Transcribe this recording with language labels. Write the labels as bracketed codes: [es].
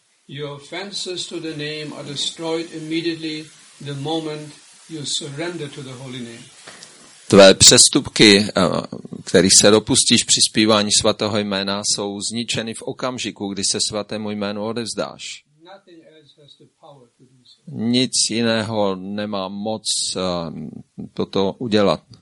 [en] Your offenses to the name are destroyed immediately the moment you surrender to the holy name. [cs] Tvé přestupky, kterých se dopustíš při zpívání svatého jména, jsou zničeny v okamžiku, kdy se svatému jménu odevzdáš. [en] Nothing else has the power to do so. [cs] Nic jiného nemá moc toto udělat.